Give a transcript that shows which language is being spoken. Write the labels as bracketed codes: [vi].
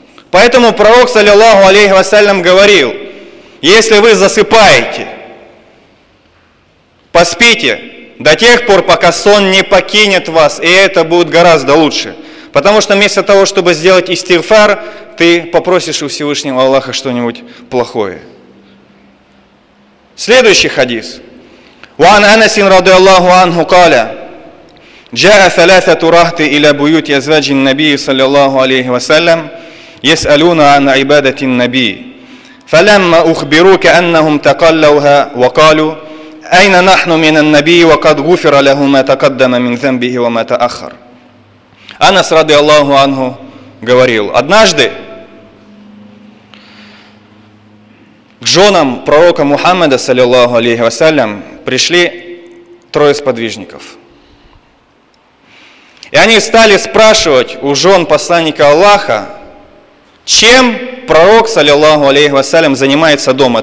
[ru] Поэтому пророк, саллиллаху алейхи вассалям, говорил: «Если вы засыпаете, поспите до тех пор, пока сон не покинет вас, и это будет гораздо лучше». Потому что вместо того, чтобы сделать истигфар, ты попросишь у Всевышнего Аллаха что-нибудь плохое. Следующий хадис. [ar] وعن أنس رضي الله عنه قال جاء ثلاثة رهط إلى بيوت أزواج النبي صلى الله عليه وسلم يسألون عن عبادة النبي فلما أخبروك أنهم تقلوها وقالوا أين نحن من النبي وقد غفر له ما تقدم من ذنبه وما تأخر. [ru] Анас ради Аллаху Ангу говорил: однажды к женам пророка Мухаммада, саллиллаху алейхи вассалям, пришли трое сподвижников. И они стали спрашивать у жен посланника Аллаха, чем пророк, саллиллаху алейхи вассалям, занимается дома.